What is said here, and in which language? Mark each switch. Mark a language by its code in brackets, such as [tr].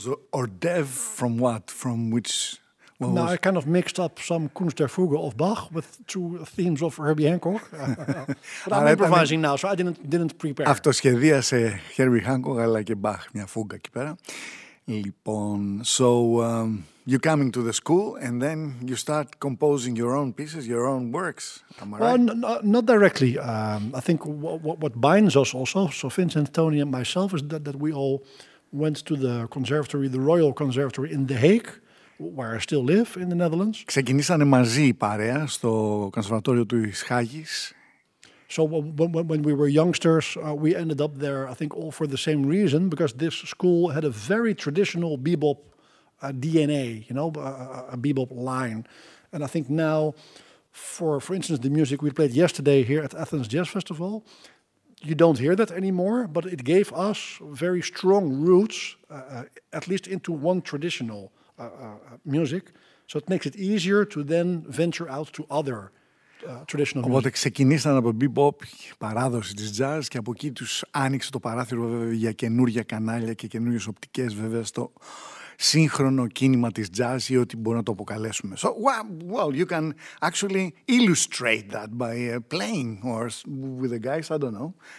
[en] or Dev from what? From which? Well, now, I kind of mixed up some Kunst der Fuge of Bach with two themes of Herbie Hancock. But I'm improvising now, so I didn't prepare. [el] Αυτοσχεδίασε Herbie Hancock, αλλά και Bach, μια φούγκα εκεί πέρα. Λοιπόν, [en] so you're coming to the school and then you start composing your own pieces, your own works. Am I right? Well, not directly. I think what binds us also, so Vincent, Tony and myself, is that we all went to the conservatory, the Royal Conservatory in The Hague, where I still live in the Netherlands. [el] Ξεκινήσανε μαζί η παρέα στο κονσερβατόριο της Χάγης. [en] So when we were youngsters, we ended up there, I think, all for the same reason, because this school had a very traditional bebop DNA, you know, a bebop line. And I think now, for instance, the music we played yesterday here at Athens Jazz Festival, you don't hear that anymore, but it gave us very strong roots, at least into one traditional music. So it makes it easier to then venture out to other traditional [el] music. Οπότε ξεκινήσαν από bebop, παράδοση της jazz, και από εκεί τους άνοιξε το παράθυρο, βέβαια, για καινούργια κανάλια και καινούργιες οπτικές, βέβαια, στο σύγχρονο κίνημα της jazz ή ό,τι μπορούμε να το αποκαλέσουμε. [en] So, well, you can actually illustrate that by playing or with the guys, I don't know.